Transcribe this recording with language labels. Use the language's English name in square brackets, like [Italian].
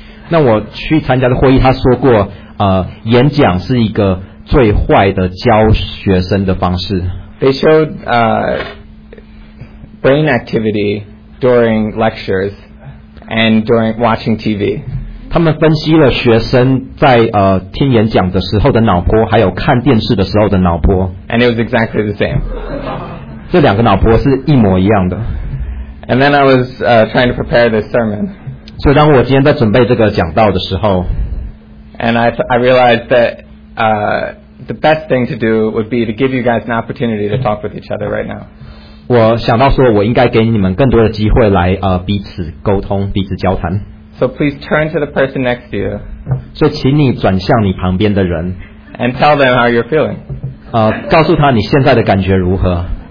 [Chinese] 那我去参加的会议，他说过，演讲是一个最坏的教学生的方式。 [English] They showed brain activity during lectures and during watching TV. [Chinese] 他们分析了学生在听演讲的时候的脑波，还有看电视的时候的脑波。 [English] And it was exactly the same. [Chinese] 这两个脑波是一模一样的。 [English] And then I was trying to prepare this sermon. [Chinese] 所以当我今天在准备这个讲道的时候 [English] ，And I realized that. The best thing to do would be to give you guys an opportunity to talk with each other right now. [Chinese] 我想到说，我应该给你们更多的机会来彼此沟通，彼此交谈。 [English] So please turn to the person next to you. [Chinese] 所以请你转向你旁边的人。 [English] And tell them how you're feeling. [Chinese] 告诉他你现在的感觉如何。